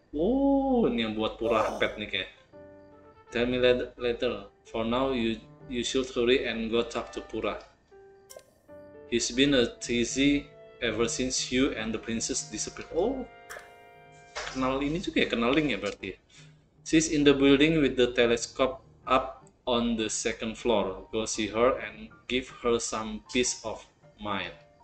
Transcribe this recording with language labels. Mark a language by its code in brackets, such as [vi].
[id] Oh, ini yang buat Purah Pet nih kayak. [en] Tell me later. For now, you should hurry and go talk to Purah. He's been a tizzy ever since you and the princess disappeared. [id] Oh, kenal ini juga ya, kenal link ya berarti. [en] She's in the building with the telescope up on the second floor. Go see her and give her some peace of mind.